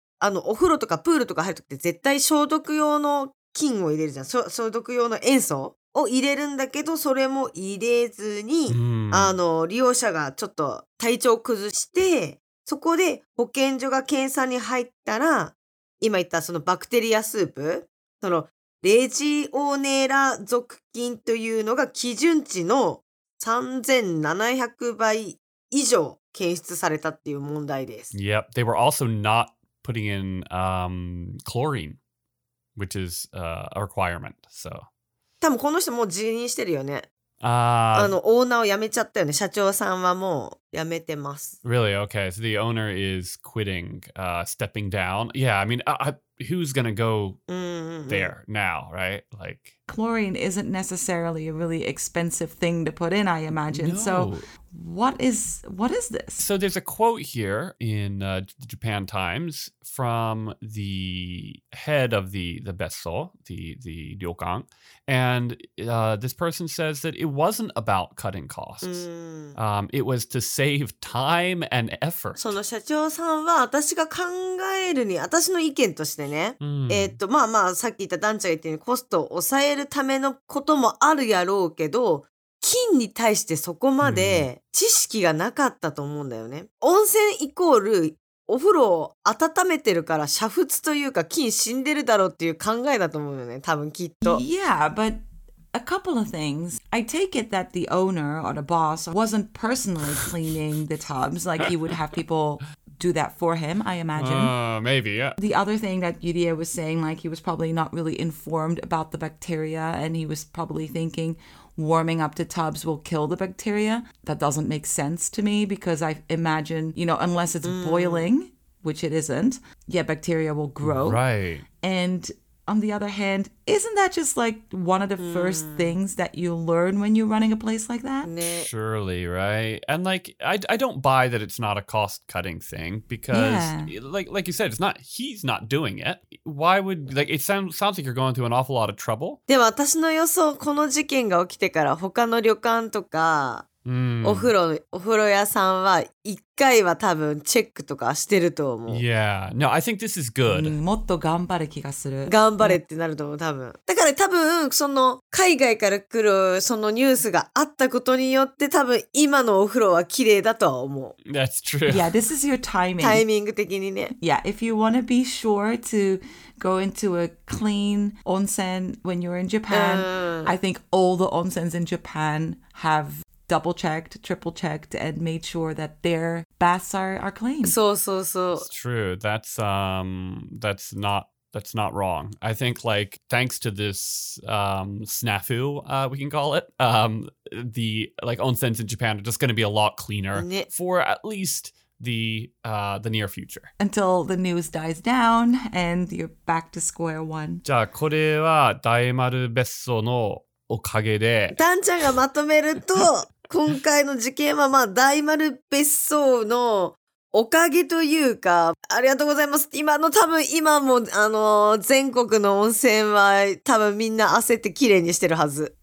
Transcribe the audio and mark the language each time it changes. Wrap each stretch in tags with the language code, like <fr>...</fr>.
<ja>あのお風呂とかプールとか入るときって絶対消毒用の菌を入れるじゃん、消毒用の塩素を入れるんだけど、それも入れずに、あの利用者がちょっと体調を崩して、そこで保健所が検査に入ったら、今言ったそのバクテリアスープ、そのレジオネラ属菌というのが基準値の3700倍以上検出されたっていう問題です。</ja> <en>Yep, they were also not putting in chlorine, which is a requirement. So,</en> <ja>多分この人もう辞任してるよね。あのオーナーを辞めちゃったよね。社長さんはもう辞めてます。</ja> <en>Really? Okay. So the owner is quitting, stepping down. Yeah, I mean, who's gonna go there now, right? Like, chlorine isn't necessarily a really expensive thing to put in, I imagine. No. So what is this? So there's a quote here in the Japan Times from the head of the besso, the ryokan. And this person says that it wasn't about cutting costs. It was to save time and effort.</en> <ja>その社長さんは私が考えるに、私の意見としてね、まあまあさっき言ったダンちゃんが言ったようにコストを抑えるためのこともあるやろうけど、菌に対してそこまで知識がなかったと思うんだよね。温泉イコールお風呂を温めてるから煮沸というか菌死んでるだろうっていう考えだと思うよね、多分きっと。</ja> <en>Yeah, but a couple of things. I take it that the owner or the boss wasn't personally cleaning the tubs, like he would have people do that for him, I imagine. Maybe, yeah. The other thing that Yuria was saying, like he was probably not really informed about the bacteria, and he was probably thinking warming up the tubs will kill the bacteria. That doesn't make sense to me, because I imagine, you know, unless it's boiling, which it isn't, yeah, bacteria will grow. Right. And on the other hand, isn't that just like one of the first things that you learn when you're running a place like that? Surely, right? And like, I don't buy that it's not a cost-cutting thing, because like you said, it's not, he's not doing it. Why would, like, it sounds like you're going through an awful lot of trouble.</en> <ja>でも私の予想、この事件が起きてから他の旅館とか、お風呂屋さんは一回は多分チェックとかしてると思う。</ja> <en>Yeah, no, I think this is good.</en> <ja>もっと頑張る気がする。頑張れってなると思う、多分。だから多分その海外から来るそのニュースがあったことによって、多分今のお風呂は綺麗だとは思う。</ja> <en>That's true. Yeah, this is your timing.</en> <ja>タイミング的にね。</ja> <en>Yeah, if you want to be sure to go into a clean onsen when you're in Japan, I think all the onsens in Japan haveDouble checked, triple checked, and made sure that their baths are clean. So, so, so. It's true. That's not wrong. I think, like, thanks to this snafu, we can call it, the, like, onsens in Japan are just going to be a lot cleaner for at least the near future. Until the news dies down and you're back to square one.</en> <ja>じゃあこれは大丸別荘のおかげで。ダンちゃんがまとめると。今回の事件はまあ大丸別荘のおかげというか、ありがとうございます。今の多分今も全国の温泉は多分みんな焦ってきれいにしてるはず。</ja>